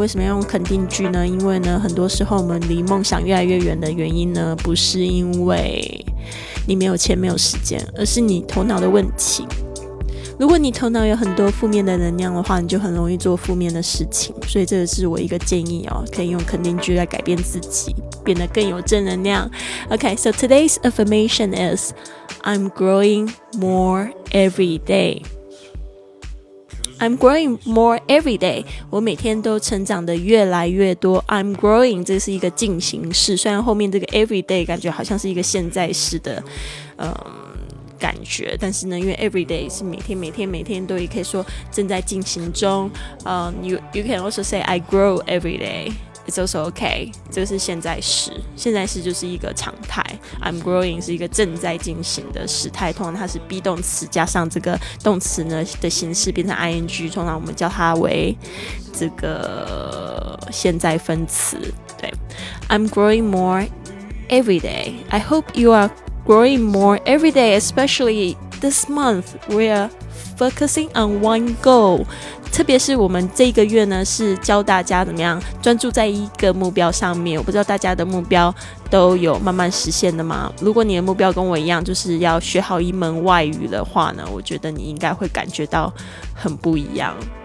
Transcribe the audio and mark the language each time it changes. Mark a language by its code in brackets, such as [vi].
[zh] 为什么要用肯定句呢？因为呢，很多时候我们离梦想越来越远的原因呢，不是因为你没有钱没有时间，而是你头脑的问题。如果你头脑有很多负面的能量的话，你就很容易做负面的事情。所以这是我一个建议哦，可以用肯定句来改变自己，变得更有正能量。 [en] OK, so today's affirmation is I'm growing more every day. I'm growing more every day. [zh] 我每天都成长的越来越多。 [en] I'm growing [zh] 这是一个进行式，虽然后面这个 every day 感觉好像是一个现在式的感觉，但是呢，因为 every day 是每天每天每天都，也可以说正在进行中。 [en] You can also say I grow every day. It's also okay. [zh] 这是现在时，现在时就是一个常态。 [en] I'm growing [zh] 是一个正在进行的时态，通常它是 be 动词加上这个动词呢的形式变成 ing， 通常我们叫它为这个现在分词。 [en] 对 ，I'm growing more every day. I hope you are growing more every day, especially this month. We are focusing on one goal. [zh] 特别是我们这个月呢，是教大家怎么样专注在一个目标上面。我不知道大家的目标都有慢慢实现的吗？如果你的目标跟我一样，就是要学好一门外语的话呢，我觉得你应该会感觉到很不一样。